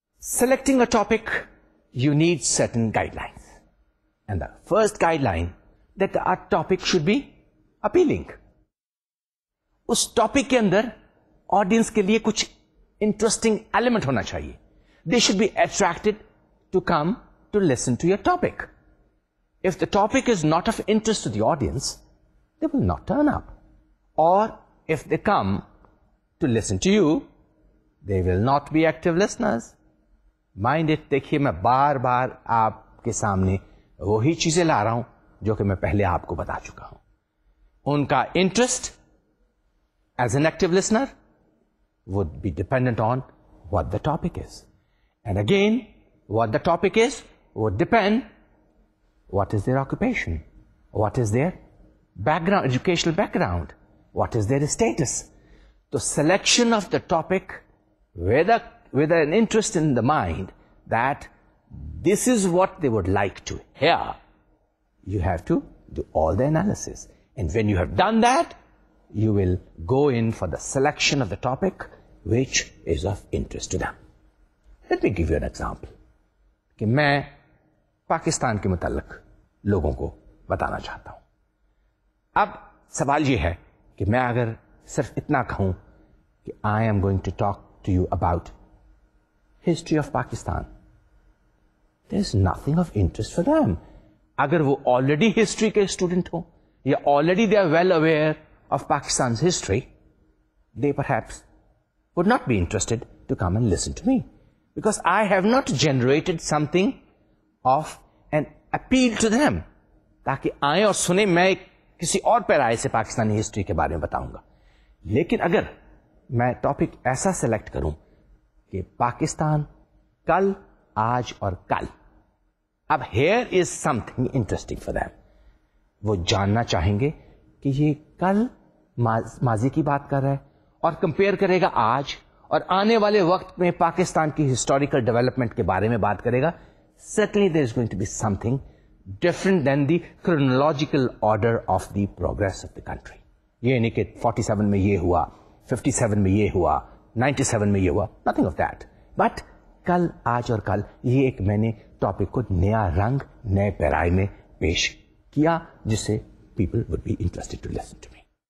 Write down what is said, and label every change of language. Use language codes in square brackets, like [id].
[en] Selecting a topic you need certain guidelines, and the first guideline that a topic should be appealing. [ur] اس topic کے اندر audience کے لیے کچھ interesting element ہونا چاہیے. [en] They should be attracted to come to listen to your topic. If the topic is not of interest to the audience they will not turn up, or if they come to listen to you they will not be active listeners. Mind it. [ur] دیکھیے میں بار بار آپ کے سامنے وہی چیزیں لا رہا ہوں جو کہ میں پہلے آپ کو بتا چکا ہوں. ان کا [en] Interest as an active listener would be dependent on what the topic is. And again, what the topic is would depend what is their occupation, what is their background, educational background, what is their status. The selection of the topic with an interest in the mind that this is what they would like to hear, you have to do all the analysis. And when you have done that, you will go in for the selection of the topic which is of interest to them. Let me give you an example. [ur] کہ میں پاکستان کے متعلق لوگوں کو بتانا چاہتا ہوں. اب سوال یہ ہے کہ میں اگر صرف اتنا کہوں کہ [en] I am going to talk to you about history of Pakistan, there is nothing of interest for them. [ur] اگر وہ already history کے student ہوں یا [en] already they are well aware of Pakistan's history, they perhaps would not be interested to come and listen to me, because I have not generated something of an appeal to them. [ur] تاکہ آئیں اور سنیں میں کسی اور پیرائے سے Pakistani history کے بارے میں بتاؤں گا. لیکن اگر میں ٹاپک ایسا سلیکٹ کروں کہ پاکستان کل, آج اور کل, اب [en] Here is something interesting for them. [ur] وہ جاننا چاہیں گے کہ یہ کل ماضی کی بات کر رہا ہے اور کمپیئر کرے گا آج, اور آنے والے وقت میں پاکستان کی ہسٹوریکل ڈیولپمنٹ کے بارے میں بات کرے گا. [en] Certainly there is going to be something different than the chronological order of the progress of the country. [ur] یہ نہیں کہ 47 میں یہ ہوا, 57 میں یہ ہوا, 97 میں یہ ہوا, [en] Nothing of that. [ur] بٹ کل, آج اور کل, یہ ایک میں نے ٹاپک کو نیا رنگ, نئے پیرائے میں پیش کیا جس سے [en] People would be interested to listen to me.